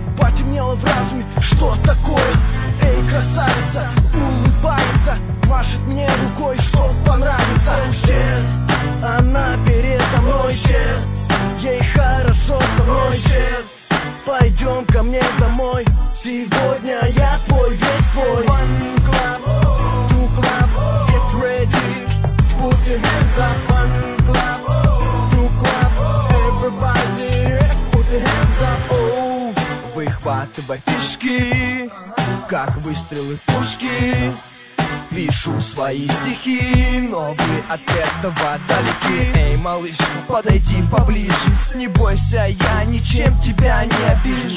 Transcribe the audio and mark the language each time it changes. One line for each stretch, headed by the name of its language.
Russian: Потемнело в разуме, что такое? Эй, красавица, улыбается, машет мне рукой, что понравится. Вообще, она передо мной, ей хорошо со мной. Пойдем ко мне домой, сегодня я твой, весь твой.
English: One club, two club, get ready, put your hands up. One club, two club, everybody, put your hands up.
Russian: Выхватывай фишки, как выстрелы пушки. Пишу свои стихи, но вы от этого далеки. Эй, малыш, подойди поближе, не бойся, я ничем тебя не обижу.